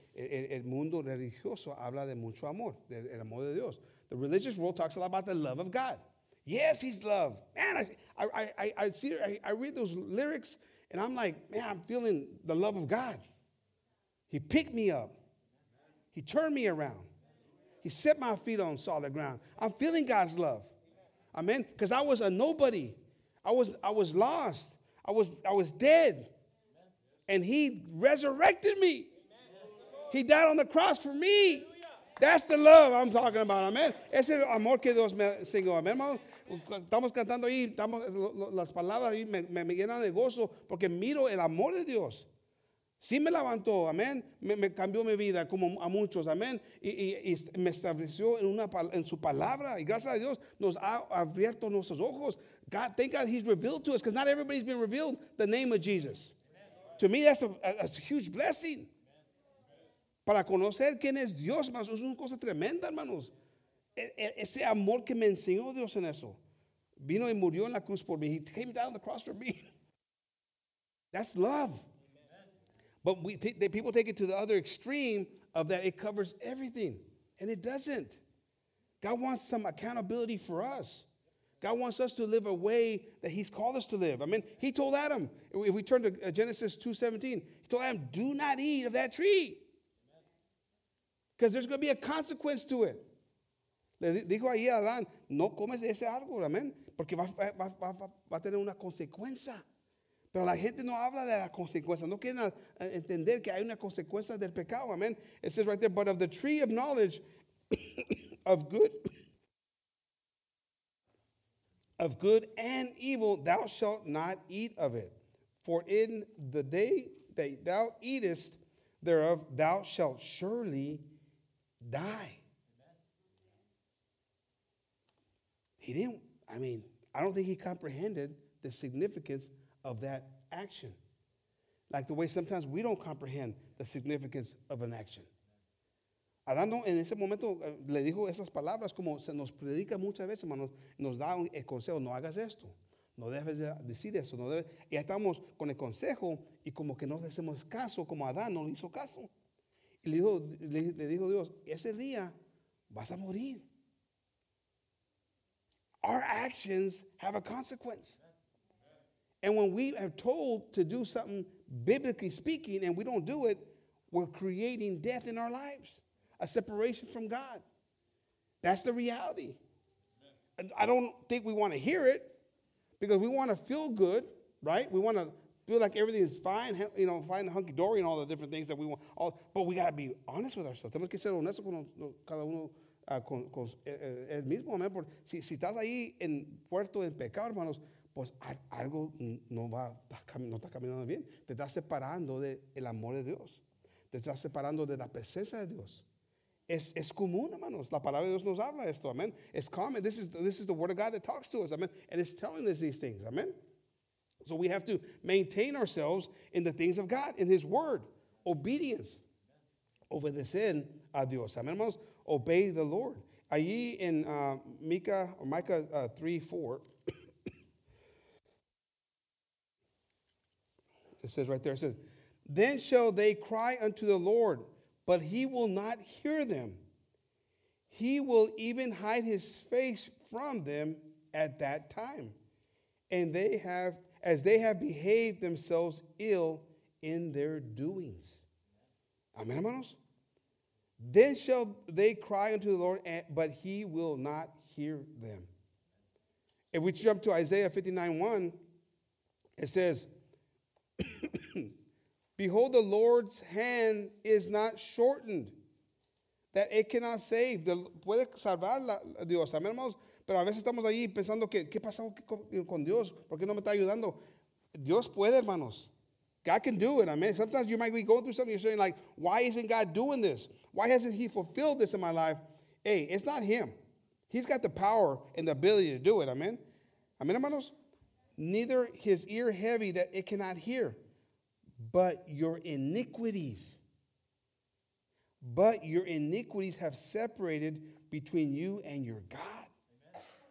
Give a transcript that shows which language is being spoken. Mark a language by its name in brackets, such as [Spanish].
[Spanish] El mundo religioso habla de mucho amor, del amor de Dios. [English] The religious world talks a lot about the love of God. Yes, He's love. Man, I read those lyrics, and I'm like, man, I'm feeling the love of God. He picked me up. He turned me around. He set my feet on solid ground. I'm feeling God's love. Amen? Because I was a nobody. I was lost. I was dead. And He resurrected me. He died on the cross for me. That's the love I'm talking about. Amen? [Spanish] Ese amor que Dios me enseñó. Amen, hermano? Estamos cantando ahí, las palabras ahí me llenan de gozo porque miro el amor de Dios. Sí me levantó, amén. Me cambió mi vida como a muchos, amén. Y me estableció en su palabra. Y gracias a Dios nos ha abierto nuestros ojos. [English] God, thank God He's revealed to us, because not everybody's been revealed the name of Jesus. [Spanish] Amen. [English] To me, that's a huge blessing. [Spanish] Amen. Para conocer quién es Dios, hermanos, es una cosa tremenda, hermanos. Ese amor que me enseñó Dios en eso. Vino y murió en la cruz por mí. [English] He came down on the cross for me. That's love. Amen. But people take it to the other extreme of that it covers everything. And it doesn't. God wants some accountability for us. God wants us to live a way that He's called us to live. I mean, He told Adam, if we turn to Genesis 2:17, He told Adam, do not eat of that tree. Because there's going to be a consequence to it. [Spanish] Le dijo ahí a Adán, no comes ese árbol, amén, porque va a tener una consecuencia. Pero la gente no habla de la consecuencia, no quieren entender que hay una consecuencia del pecado, amén. [English] It says right there, but of the tree of knowledge of good and evil, thou shalt not eat of it. For in the day that thou eatest, thereof, thou shalt surely die. He didn't, I mean, I don't think he comprehended the significance of that action. Like the way sometimes we don't comprehend the significance of an action. [Spanish] Adán en ese momento le dijo esas palabras como se nos predica muchas veces, hermanos, nos da el consejo, no hagas esto, no debes decir eso, no debes. Y ya estamos con el consejo y como que no le hacemos caso, como Adán no le hizo caso. Y le dijo Dios, ese día vas a morir. [English] Our actions have a consequence. And when we are told to do something, biblically speaking, and we don't do it, we're creating death in our lives. A separation from God. That's the reality. I don't think we want to hear it because we want to feel good, right? We want to feel like everything is fine, you know, fine, hunky-dory and all the different things that we want. But we got to be honest with ourselves. [Spanish] Tenemos que ser honestos con cada uno. El mismo, amén, porque si estás ahí en puerto en pecado, hermanos, pues algo no está caminando bien. Te estás separando del amor de Dios. Te estás separando de la presencia de Dios. Es común, hermanos. La palabra de Dios nos habla de esto, amén. [English] It's common. This is the word of God that talks to us, amén. And it's telling us these things, amén. So we have to maintain ourselves in the things of God, in His word. Obedience. [Spanish] Obedecer a Dios, amén, hermanos. [English] Obey the Lord. [Spanish] Allí en [English] Micah 3:4, it says right there, it says, then shall they cry unto the Lord, but he will not hear them. He will even hide his face from them at that time. And they have, as they have behaved themselves ill in their doings. Amen, hermanos. Then shall they cry unto the Lord, but he will not hear them. If we jump to Isaiah 59:1, it says, behold, the Lord's hand is not shortened, that it cannot save. [Spanish] Puede salvar a Dios, amén, hermanos. Pero a veces estamos ahí pensando que qué pasó con Dios, por qué no me está ayudando. Dios puede, hermanos. [English] God can do it, amen. Sometimes you might be going through something, you're saying like, why isn't God doing this? Why hasn't he fulfilled this in my life? Hey, it's not him. He's got the power and the ability to do it, amen. Amen, hermanos. Neither his ear heavy that it cannot hear, but your iniquities have separated between you and your God. Amen.